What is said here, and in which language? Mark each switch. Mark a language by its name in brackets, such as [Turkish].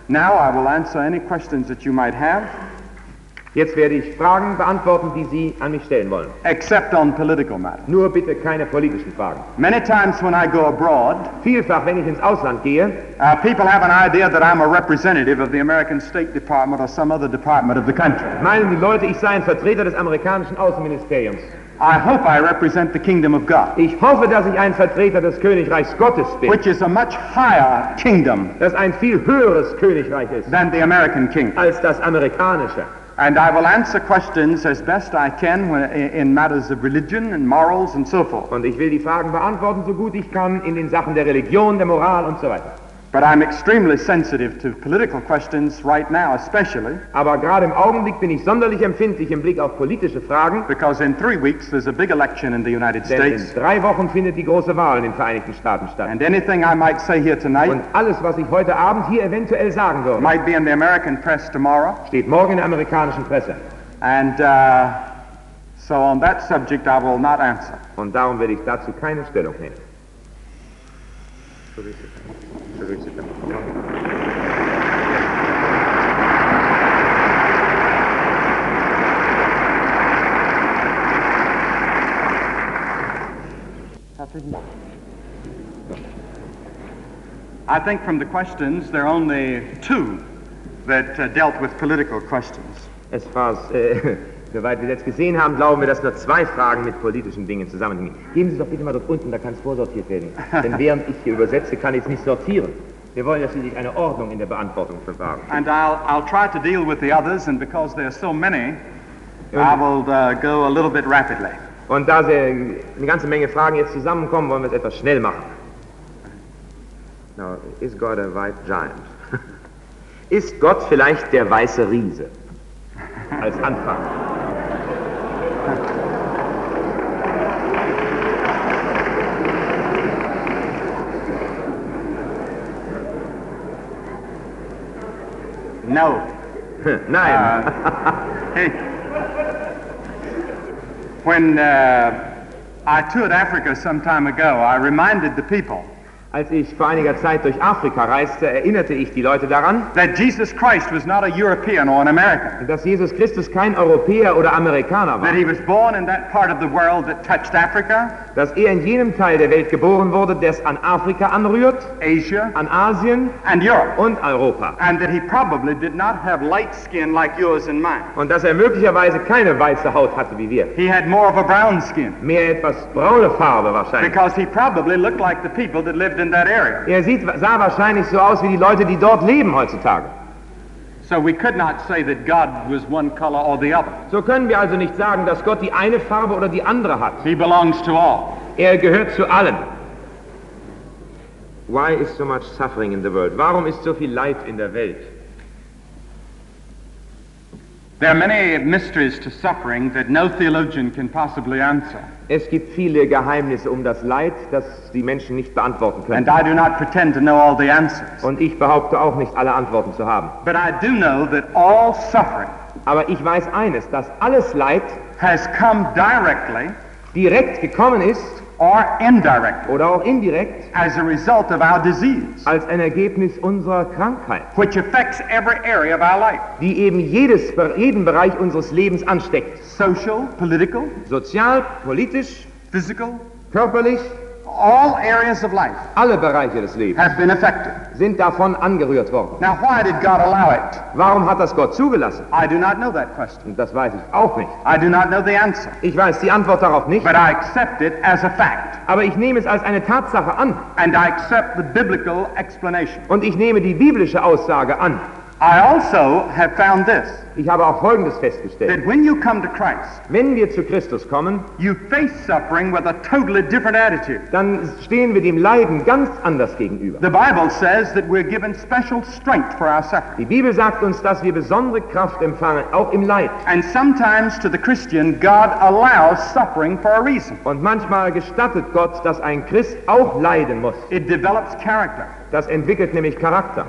[English] Now I will answer any questions that you might have. [German] Jetzt werde ich Fragen beantworten, die Sie an mich stellen wollen. [English] Except on political matters. [German] Nur bitte keine politischen Fragen. [English] Many times when I go abroad, [German] vielfach, wenn ich ins Ausland gehe, [English] people have an idea that I'm a representative of the American State Department or some other department of the country. [German] Meinen die Leute, ich sei ein Vertreter des amerikanischen Außenministeriums. [English] I hope I represent the kingdom of God. [German] Ich hoffe, dass ich ein Vertreter des Königreichs Gottes bin. [English] Which is a much higher kingdom. [German] Das ein viel höheres Königreich ist. [English] Than the American kingdom. [German] Als das amerikanische. [English] And I will answer questions as best I can in matters of religion and morals and so forth. [German] Und ich will die Fragen beantworten so gut ich kann in den Sachen der Religion, der Moral und so weiter. [English] But I'm extremely sensitive to political questions right now, especially. [German] Aber gerade im Augenblick bin ich sonderlich empfindlich im Blick auf politische Fragen. [English] Because in 3 weeks there's a big election in the United [German] Denn [English] States. [German] Denn in 3 Wochen findet die große Wahl in den Vereinigten Staaten statt. [English] And anything I might say here tonight. [German] Und alles, was ich heute Abend hier eventuell sagen würde. [English] Might be in the American press tomorrow. [German] Steht morgen in der amerikanischen Presse. [English] And so on that subject I will not answer. [German] Und darum werde ich dazu keine Stellung nehmen. [English] I think from the questions there are only two that dealt with political questions. As far as [German] soweit wir jetzt gesehen haben, glauben wir, dass nur 2 Fragen mit politischen Dingen zusammenhängen. Geben Sie doch bitte mal dort unten, da kann es vorsortiert werden. Denn während ich hier übersetze, kann ich es nicht sortieren. Wir wollen ja schließlich eine Ordnung in der Beantwortung für Fragen. [English] And I'll try to deal with the others, and because there are so many, I will go a little bit rapidly. [German] Und da sehr, eine ganze Menge Fragen jetzt zusammenkommen, wollen wir es etwas schnell machen. [English] Now, is God a white giant? [German] Ist Gott vielleicht der weiße Riese? Als Anfang. [English] No. [German] Nein. [English] When I toured Africa some time ago, I reminded the people. [German] Als ich vor einiger Zeit durch Afrika reiste, erinnerte ich die Leute daran, [English] that Jesus Christ was not a European or an American. [German] Dass Jesus Christus kein Europäer oder Amerikaner war. [English] That he was born in that part of the world that touched Africa. [German] Dass er in jenem Teil der Welt geboren wurde, der es an Afrika anrührt, [English] Asia, [German] an Asien [English] and Europe. [German] Und Europa. [English] And that he probably did not have light skin like yours and mine. [German] Und dass er möglicherweise keine weiße Haut hatte wie wir. [English] He had more of a brown skin. [German] Mehr etwas braune Farbe wahrscheinlich. [English] Because he probably looked like the people that lived in that area. [German] Er sah wahrscheinlich so aus wie die Leute, die dort leben heutzutage. [English] So we could not say that God was one color or the other. [German] So können wir also nicht sagen, dass Gott die eine Farbe oder die andere hat. [English] He belongs to all. [German] Er gehört zu allen. [English] Why is so much suffering in the world? [German] Warum ist so viel Leid in der Welt? [English] There are many mysteries to suffering that no theologian can possibly answer. [German] Es gibt viele Geheimnisse um das Leid, das die Menschen nicht beantworten können. [English] And I do not pretend to know all the answers. [German] Und ich behaupte auch nicht, alle Antworten zu haben. [English] But I do know that all suffering, [German] aber ich weiß eines, dass alles Leid [English] has come directly, [German] direkt gekommen ist, [English] or indirectly, [German] oder auch indirekt, [English] as a result of our disease, [German] als ein Ergebnis unserer Krankheit, [English] which affects every area of our life, [German] die eben jeden Bereich unseres Lebens ansteckt, [English] social, political, [German] sozial, politisch, [English] physical, [German] körperlich. [English] All areas of life, [German] alle Bereiche des Lebens, [English] have been affected, [German] sind davon angerührt worden. [English] Now, why did God allow it? [German] Warum hat das Gott zugelassen? [English] I do not know that question. [German] Das weiß ich auch nicht. [English] I do not know the answer. [German] Ich weiß die Antwort darauf nicht. [English] But I accept it as a fact. [German] Aber ich nehme es als eine Tatsache an. [English] And I accept the biblical explanation. [German] Und ich nehme die biblische Aussage an. [English] I also have found this. [German] Ich habe auch Folgendes festgestellt. [English] That when you come to Christ, [German] wenn wir zu Christus kommen, [English] you face suffering with a totally different attitude. [German] Dann stehen wir dem Leiden ganz anders gegenüber. [English] The Bible says that we're given special strength for our suffering. [German] Die Bibel sagt uns, dass wir besondere Kraft empfangen, auch im Leid. [English] And sometimes to the Christian, God allows suffering for a reason. [German] Und manchmal gestattet Gott, dass ein Christ auch leiden muss. [English] It develops character. [German] Das entwickelt nämlich Charakter.